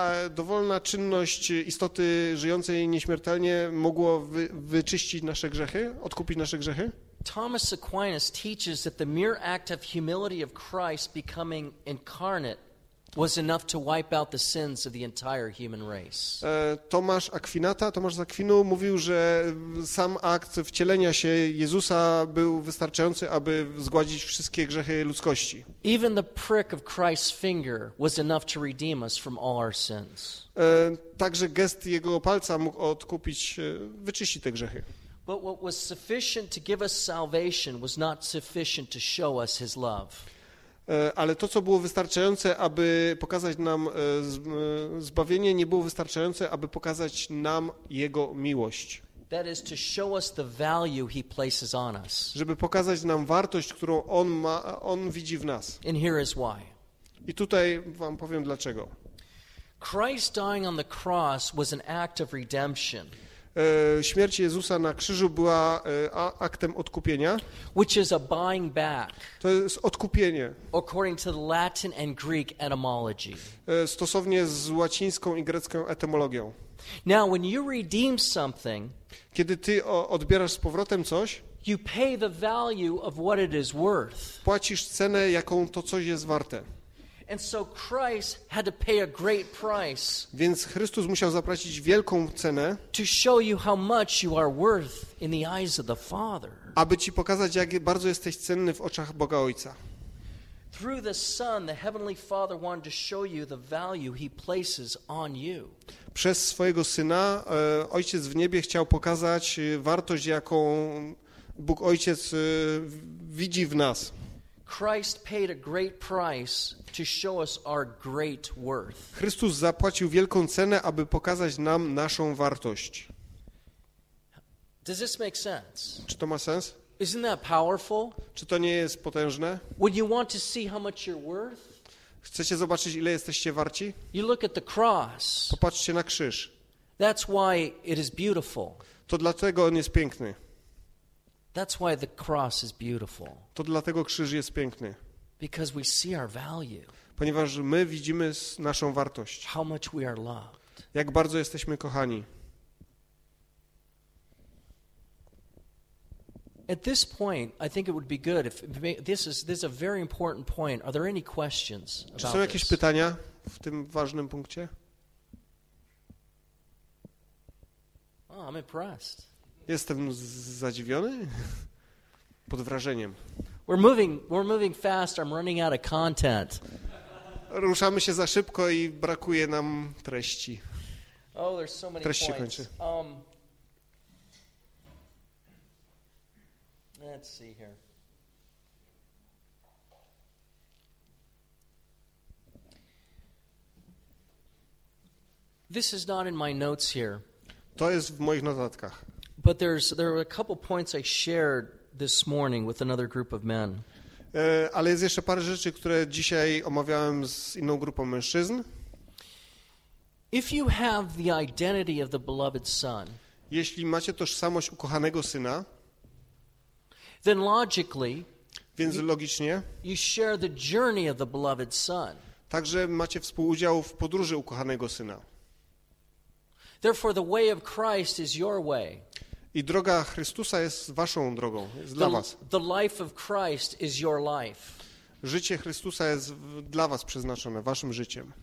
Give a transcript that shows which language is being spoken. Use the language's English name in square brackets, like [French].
[Polish] Dowolna czynność istoty żyjącej nieśmiertelnie mogło wyczyścić nasze grzechy, odkupić nasze grzechy. [English] Thomas Aquinas teaches that the mere act of humility of Christ becoming incarnate was enough to wipe out the sins of the entire human race. [Polish] Tomasz z Akwinu mówił, że sam akt wcielenia się Jezusa był wystarczający, aby zgładzić wszystkie grzechy ludzkości. [English] Even the prick of Christ's finger was enough to redeem us from all our sins. [Polish] Także gest jego palca mógł odkupić, wyczyścić te grzechy. [English] But what was sufficient to give us salvation was not sufficient to show us his love. [Polish] Ale to, co było wystarczające, aby pokazać nam zbawienie, nie było wystarczające, aby pokazać nam Jego miłość. [English] That is to show us the value he places on us. [Polish] Żeby pokazać nam wartość, którą On ma, On widzi w nas. [English] And here is why. [Polish] I tutaj wam powiem dlaczego. [English] Christ dying on the cross was an act of redemption. [Polish] Śmierć Jezusa na krzyżu była aktem odkupienia. [English] Which is a buying back. [Polish] To jest odkupienie. [English] According to the Latin and Greek etymology. [Polish] Stosownie z łacińską i grecką etymologią. [English] Now when you redeem something, [Polish] kiedy ty odbierasz z powrotem coś, [English] you pay the value of what it is worth. [Polish] Płacisz cenę, jaką to coś jest warte. [English] And so Christ had to pay a great price. [Polish] Więc Chrystus musiał zapłacić wielką cenę. [English] To show you how much you are worth in the eyes of the Father. [Polish] Aby ci pokazać, jak bardzo jesteś cenny w oczach Boga Ojca. [English] Through the Son, the Heavenly Father wanted to show you the value He places on you. [Polish] Przez swojego Syna Ojciec w niebie chciał pokazać wartość, jaką Bóg Ojciec widzi w nas. [English] Christ paid a great price to show us our great worth. [Polish] Chrystus zapłacił wielką cenę, aby pokazać nam naszą wartość. [English] Does this make sense? [Polish] Czy to ma sens? [English] Isn't that powerful? [Polish] Czy to nie jest potężne? [English] When you want to see how much you're worth? [Polish] Chcecie zobaczyć, ile jesteście warci? [English] You look at the cross. [Polish] Popatrzcie na krzyż. [English] That's why it is beautiful. [Polish] To dlatego on jest piękny. [English] That's why the cross is beautiful. [Polish] To dlatego krzyż jest piękny. [English] Because we see our value. [Polish] Ponieważ my widzimy naszą wartość. [English] How much we are loved. [Polish] Jak bardzo jesteśmy kochani. [English] At this point, I think it would be good if this is a very important point. Are there any questions? [Polish] Czy są jakieś pytania w tym ważnym punkcie? [English] Oh, I'm impressed. [Polish] Jestem zadziwiony, pod wrażeniem. [English] We're moving fast. I'm running out of content. [Polish] Ruszamy się za szybko i brakuje nam treści. [English] Oh, there's so many [Polish] treści [English] points. [Polish] Kończy. [English] Let's see here. This is not in my notes here. [Polish] To jest w moich notatkach. [English] But there are a couple points I shared this morning with another group of men. [Polish] Ale jest jeszcze parę rzeczy, które dzisiaj omawiałem z inną grupą mężczyzn. [English] If you have the identity of the beloved son, [Polish] jeśli macie tożsamość ukochanego syna, [English] then logically, [Polish] więc logicznie, [English] you share the journey of the beloved son. [Polish] Także macie współudział w podróży ukochanego syna. [English] Therefore, the way of Christ is your way. [Polish] I droga Chrystusa jest waszą drogą, jest dla was. [English] The life of Christ is your life. [Polish] Życie Chrystusa jest dla was przeznaczone, waszym życiem.